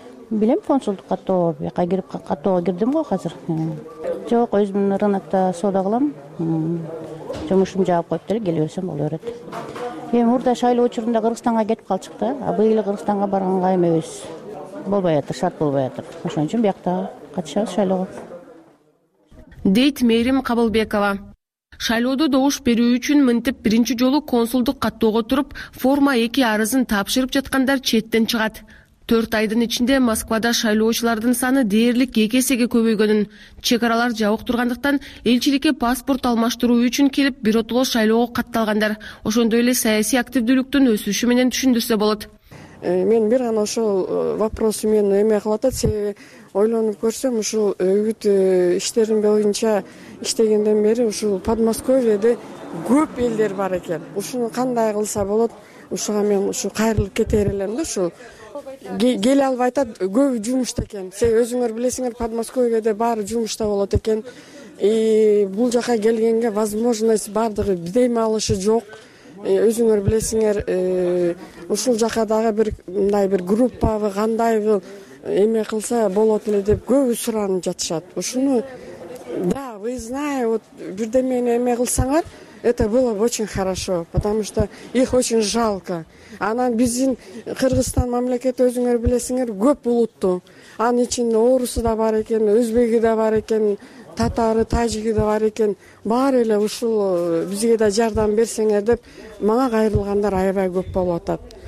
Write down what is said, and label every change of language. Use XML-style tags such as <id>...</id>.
<ky>Билем, консулдук каттоого кирип каттоого кирдим го азыр. Жок, өзүм рынокто соода кылам. жумушум жаап коюп эле келе берсем боло берет. Эми мурда шайлоо учурунда Кыргызстанга кетип калчык да, а быйыл Кыргызстанга барганга эмебиз. Болбой атыр, шарт болбой атыр. Ошон үчүн биякта катышабыз шайлоого. Дейт Мэрим Кабылбекова. Шайлоодо добуш берүү үчүн мынтип биринчи жолу консулдук каттоого туруп, форма 2 арызын тапшырып жаткандар четтен чыгат. 4 айдын ичинде Москвада шайлоочулардын саны дээрлик 2 эсеге көбөйгөнүн, чек аралар жабык тургандыктан элчиликке паспорт алмаштыруу үчүн келип биротоло шайлоого катталгандар, ошондой эле саясий активдүүлүктүн өсүшү менен түшүндүрсө болот. Мен бир гана ошол вопросу менен эме кылып атат, себеби ойлонуп көрсөм ушул үгүт иштерин боюнча иштегенден бери ушул Подмосковьеде көп элдер бар экен. Ушуну кандай кылса болот, ушуга мен ушу кайрылып кетер элем да ушул. Келе албай атат, көп жумушта экен. Себеби өзүңөр билесиңер, Подмосковьеде баары жумушта болот экен. Бул жака келгенге возможность бардыгы дем алышы жок. Өзүңөр билесиңер, ушул жака дагы бир мындай бир группабы, кандайбы эме кылса болот эле деп көп суранып жатышат. Ушуну да,</ky> <ru>вы знаете, вот</ru> <ky>бирдемени эме кылсаңар,</ky> <ru>это было бы очень хорошо, потому что их очень жалко.</ru> <ky>Анан биздин Кыргызстан мамлекети өзүңөр билесиңер, көп улуттуу. Анын ичинде орусу да бар экен, өзбеги да бар экен, татары, тажиги да бар экен. Баары эле ушул бизге да жардам берсеңер деп мага кайрылгандар аябай көп болуп атат.</ky>